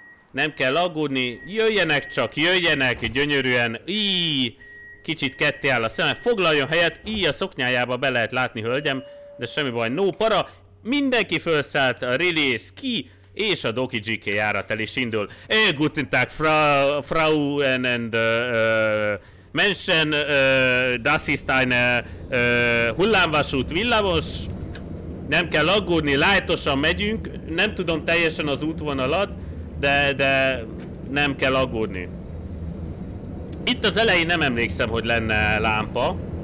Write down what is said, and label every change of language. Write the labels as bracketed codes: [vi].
[hu] Nem kell aggódni, jöjjenek csak, jöjjenek, gyönyörűen, íj, kicsit ketté áll a szeme, foglaljon helyet, íj, a szoknyájába be lehet látni, hölgyem, de semmi baj, no para, mindenki felszállt, a release ki, és a Doki GK járat el is indul. [de] Guten Tag, Frauen and Menschen, das ist eine [hu] hullámvasút villamos. Nem kell aggódni, lájtosan megyünk, nem tudom teljesen az útvonalat, de nem kell aggódni. Itt az elején nem emlékszem, hogy lenne lámpa.